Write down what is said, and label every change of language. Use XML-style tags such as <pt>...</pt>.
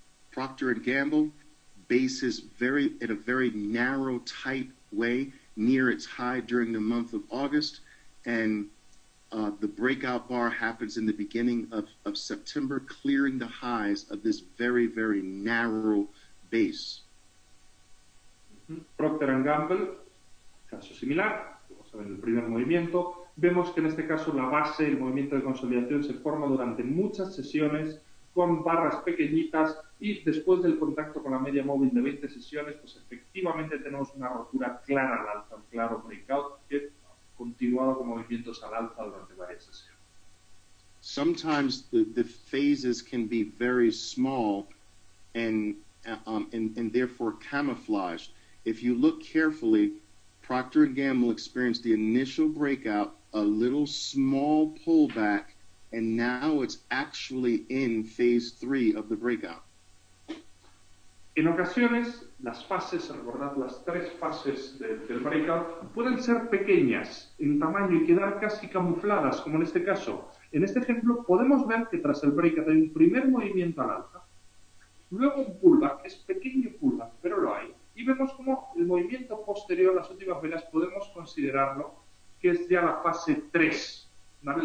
<en>Procter & Gamble bases very in a very narrow, tight way near its high during the month of August, and the breakout bar happens in the beginning of September, clearing the highs of this very, very narrow base.</en> <es>Procter & Gamble, caso similar, vamos a ver el primer movimiento. Vemos que en este caso la base, el movimiento de consolidación, se forma durante muchas sesiones con barras pequeñitas y después del contacto con la media móvil de 20 sesiones, pues efectivamente tenemos una rotura clara al alza, un claro breakout que ha continuado con movimientos al alza durante varias sesiones.</es> <en>Sometimes the phases can be very small and therefore camouflaged. If you look carefully, Procter & Gamble experienced the initial breakout, a little small pullback, and now it's actually in phase three of the breakout.</en> <es>En ocasiones, las fases, recordad, las tres fases del breakout, pueden ser pequeñas en tamaño y quedar casi camufladas, como en este caso. En este ejemplo, podemos ver que tras el breakout hay un primer movimiento al alza, luego un pullback, es pequeño pullback, pero lo hay, y vemos como el movimiento posterior, las últimas velas, podemos considerarlo que es ya la fase 3, ¿vale?</es>